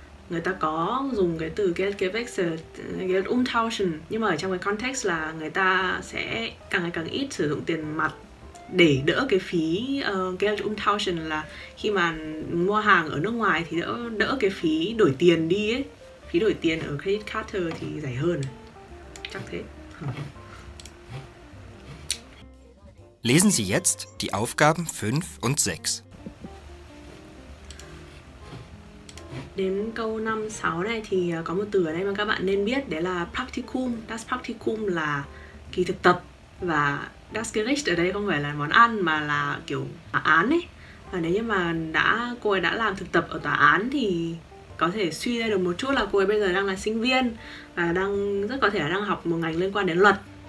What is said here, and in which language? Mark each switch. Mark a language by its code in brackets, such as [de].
[vi] Người ta có dùng cái từ [de] Geld umtauschen, [vi] nhưng mà ở trong cái context là người ta sẽ càng ngày càng ít sử dụng tiền mặt để đỡ cái phí Geld umtauschen, là khi mà mua hàng ở nước ngoài thì đỡ cái phí đổi tiền đi ấy. Phí đổi tiền ở credit card thì rẻ hơn. Chắc thế. [de] Lesen Sie jetzt die Aufgaben 5 und 6. [vi] Đến câu 5, 6 này thì có một từ ở đây mà các bạn nên biết, đấy là Praktikum. Das Praktikum là kỳ thực tập. Và Das Gericht ở đây không phải là món ăn mà là kiểu tòa án ấy. Và nếu như mà cô ấy đã làm thực tập ở tòa án thì có thể suy ra được một chút là cô ấy bây giờ đang là sinh viên và đang rất có thể là đang học một ngành liên quan đến luật.